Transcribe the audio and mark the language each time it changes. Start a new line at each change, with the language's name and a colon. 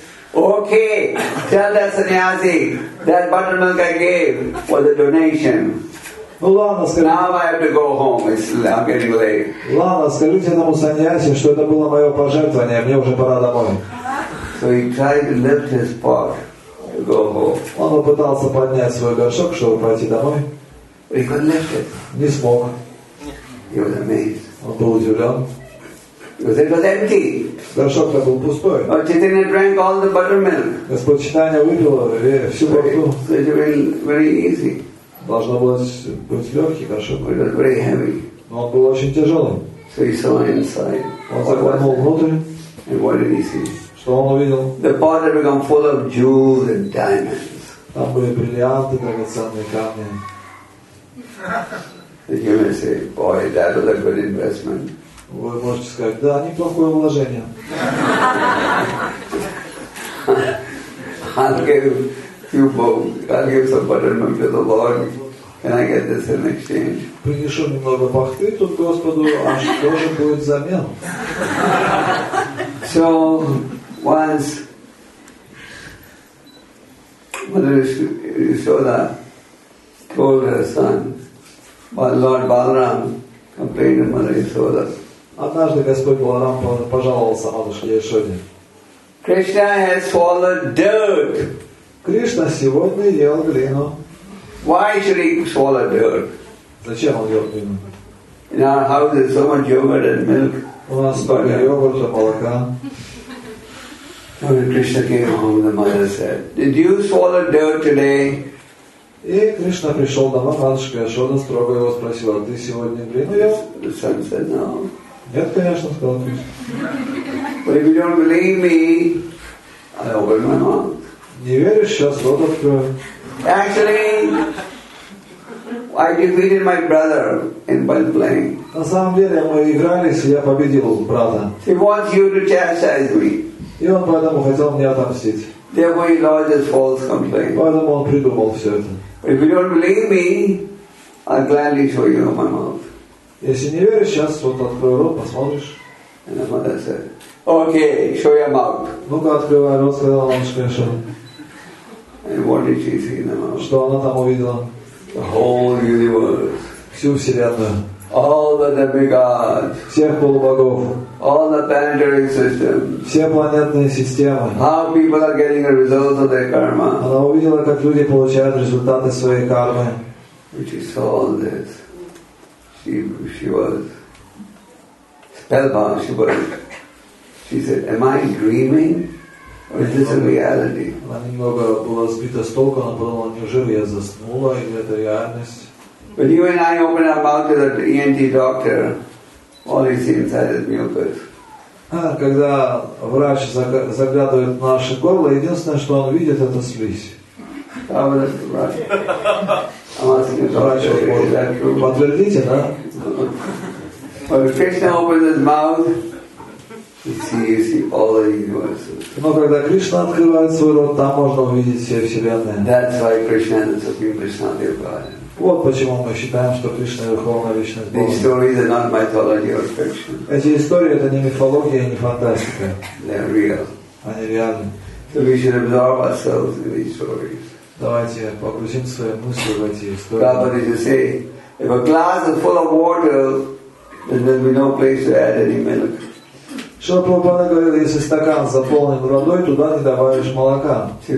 English: Okay, tell that sannyasi that buttermilk I gave was a donation. Now I have to go home. I'm getting late.
Russian: Ладно, скажите этому саньяси, что это было мое пожертвование. Мне уже пора домой.
English: So he tried to lift his pot to go home.
Russian: Он попытался поднять свой горшок, чтобы пойти домой.
English: He couldn't lift it.
Russian: Не смог.
English: He was amazed.
Russian: Он был удивлен.
English: Because it was empty.
Russian: Горшок был пустой.
English: But Chaitanya drank all the buttermilk.
Russian: Господь Читания выпил всю бахту.
English: So it was very easy.
Russian: Должно было быть легкий горшок.
English: It was very heavy.
Russian: Но он был очень тяжелым.
English: So he saw inside.
Russian: Он заглянул внутрь.
English: And what did he see?
Russian: Что он увидел?
English: The pot had become full of jewels and diamonds.
Russian: Там были бриллианты, драгоценные камни.
English: The human say, boy, that was a good investment.
Russian: Вы можете сказать, да, неплохое вложение.
English: I'll give some buttermilk to the Lord. Can I get this in exchange?
Russian: Принесу немного бахты тут Господу, а что же будет взамен?
English: So once Mother Yashoda told her son, but Lord Balaram complained to Mother Yashoda.
Russian: Однажды Господь Баларам пожаловался матушке Яшоде.
English: Krishna has swallowed dirt.
Russian: Кришна сегодня ел глину.
English: Why should he swallow dirt?
Russian: Зачем он ел глину?
English: In our house there's so much yogurt and milk.
Russian: У нас столько йогурта, молока.
English: When Krishna came home, the mother said, "Did you swallow dirt today?"
Russian: И Кришна пришел домой, матушка Яшода строго его спросила, "Ты сегодня глину ел?"
English: The son said, "No."
Russian: Нет, конечно, сказал Кришна.
English: But if you don't believe me, I'll open my mouth.
Russian: Не веришь, сейчас рот открою.
English: Actually, I defeated my brother in ball playing.
Russian: На самом деле мы игрались, и я победил брата.
English: He wants you to chastise me.
Russian: И он поэтому хотел мне отомстить.
English: Therefore, he lodges false complaint.
Russian: Поэтому он придумал все это.
English: But if you don't believe me, I'll gladly show you my mouth.
Russian: Если не веришь, сейчас вот открой рот, посмотришь.
English: And the mother said, okay, show your mouth.
Russian: Ну-ка, открывай рот, сказала матушка Яшода.
English: And what did she see in the mouth?
Russian: Что она там увидела?
English: The whole universe.
Russian: Всю вселенную.
English: All the demigods.
Russian: Всех полубогов.
English: All the planetary system.
Russian: Все планетные системы.
English: How people are getting the results of their karma.
Russian: Она увидела, как люди получают результаты своей кармы.
English: And she saw all this. She was spellbound. She said, "Am I dreaming, or is this a reality?"
Russian: Она немного была сбита с толку, она подумала, неужели я заснула или это реальность?
English: But you and I open our mouth to the ENT doctor, all he sees inside is mucus.
Russian: Когда врач заглядывает в наше горло, единственное, что он видит, это слизь.
English: How is the
Russian: врач?
English: I'm asking you,
Russian: подтвердите, да?
English: When Krishna opens his mouth,
Russian: Но когда Кришна открывает свой рот, там можно увидеть все вселенные.
English: That's why Krishna is supreme personality of God.
Russian: Вот почему мы считаем, что Кришна верховная личность Бога.
English: These stories are not mythology or fiction.
Russian: Эти истории это не мифология, не фантастика.
English: They're real.
Russian: Они реальны.
English: So we should absorb ourselves in these stories.
Russian: Давайте погрузим свои мысли в эти истории.
English: But did you say, if a glass is full of water, then there'll be no place to add any milk.
Russian: Что Прабхупада говорил, если стакан заполнен водой, туда не добавишь молока.